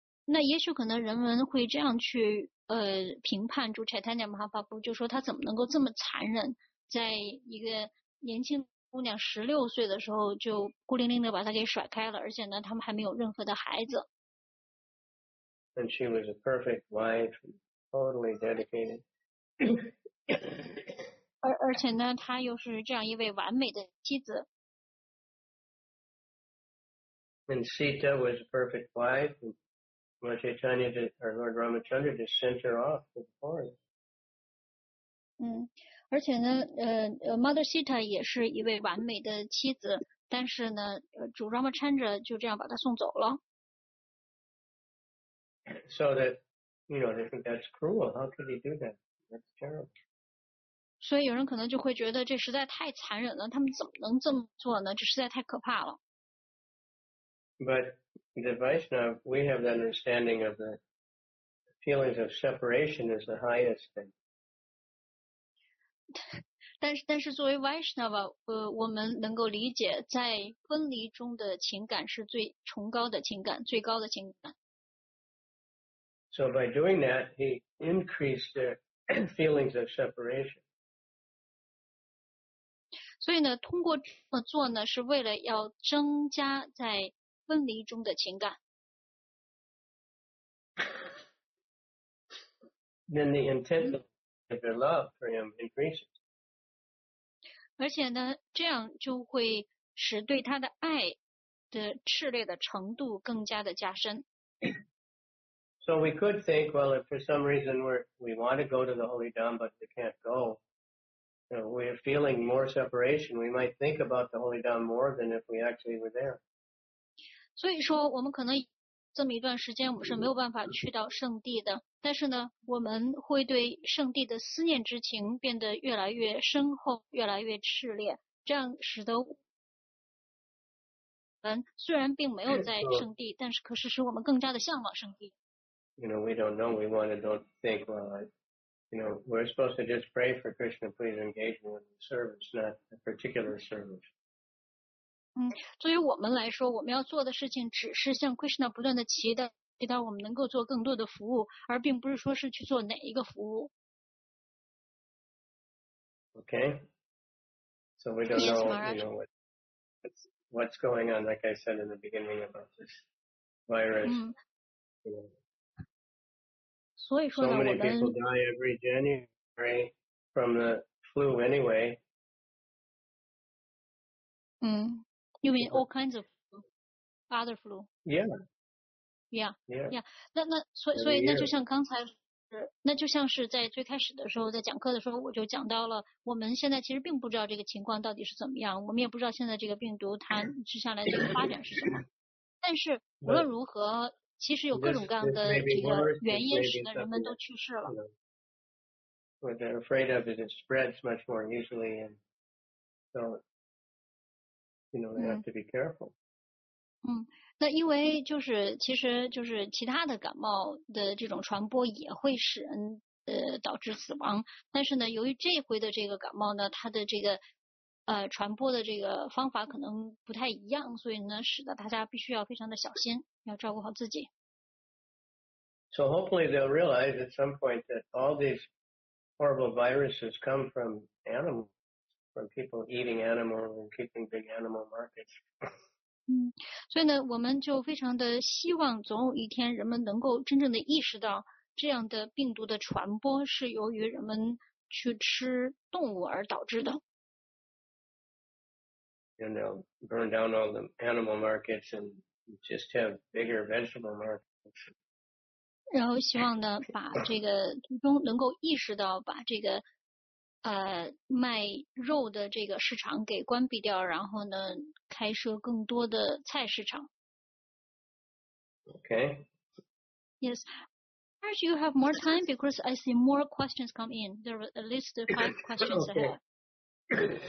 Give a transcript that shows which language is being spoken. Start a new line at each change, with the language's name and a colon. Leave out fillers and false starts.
Chinese: 那也许可能人们会这样去评判主 Chaitanya Mahaprabhu， 就说他怎么能够这么残忍，在一个年轻姑娘16岁的时候就孤零零的把她给甩开了，而且呢，他们还没有任何的孩子。
English: And she was a perfect wife, totally dedicated.
Chinese: 而且呢，她又是这样一位完美的妻子。
English: And Sita was a perfect wife, and Lord Chaitanya, or Lord Ramachandra, just sent her off to the forest.
Chinese: 而且呢，Mother Sita 也是一位完美的妻子，但是呢，主 Ramachandra 就这样把她送走了。
English: So that, you know, they think that's cruel. How could he do that? That's terrible.
Chinese: 所以有人可能就会觉得这实在太残忍了，他们怎么能这么做呢？这实在太可怕了。
English: But the Vaishnav, we have the understanding of the feelings of separation is the highest thing.
Chinese: 但是作为 Vaishnav, 我们能够理解在分离中的情感是最崇高的情感，最高的情感。
English: So by doing that, he increased the feelings of separation.
Chinese: 所以呢，通过这么做呢，是为了要增加在分离中的情感。
English: Then the intensity of their love for him increases.
Chinese: 而且呢，这样就会使对他的爱的炽烈的程度更加的加深。
English: So we could think, well, if for some reason we want to go to the Holy Dham but we can't go, you know, we're feeling more separation. We might think about the Holy Dham more than if we actually were there.
Chinese: 所以说我们可能这么一段时间我们是没有办法去到圣地的，但是呢，我们会对圣地的思念之情变得越来越深厚，越来越炽烈，这样使得我们虽然并没有在圣地，但是可是使我们更加的向往圣地。
English: You know, we don't know, we want to don't think, well, you know, we're supposed to just pray for Krishna, please engage me in the service, not a particular service.
Chinese: 作为我们来说，我们要做的事情只是向 Krishna 不断的祈祷我们能够做更多的服务，而并不是说是去做哪一个服务。
English: Okay, so we don't know, you know, what's going on. Like I said in the beginning about this virus. You know,
Chinese: 所以说呢，
English: so many people die every January from the flu anyway. You mean all kinds of other flu? Yeah.
Chinese: 那就像刚才，那就像是在最开始的时候，在讲课的时候，我就讲到了，我们现在其实并不知道这个情况到底是怎么样，我们也不知道现在这个病毒它接下来的发展是什么。但是无论如何，其实有各种各样的这个原因使得人们都去世了。
English: What they're afraid of is it spreads much more easily, and so, you know, they have to be careful.
Chinese: 那因为就是其实就是其他的感冒的这种传播也会使人导致死亡，但是呢，由于这回的这个感冒呢，它的这个传播的这个方法可能不太一样，所以呢，使得大家必须要非常的小心，要照顾好自己。
English: So hopefully they'll realize at some point that all these horrible viruses come from animals, from people eating animals and keeping big animal markets.
Chinese: 所以呢，我们就非常的希望总有一天人们能够真正的意识到这样的病毒的传播是由于人们去吃动物而导致的。
English: And they'll burn down all the animal markets and just have bigger vegetable markets.
Chinese: 然后希望呢，把这个最终能够意识到把这个卖肉的这个市场给关闭掉，然后呢，开设更多的菜市场。
English: Okay. Yes. Perhaps you have more time because I see more questions come in. There are at least five questions I have.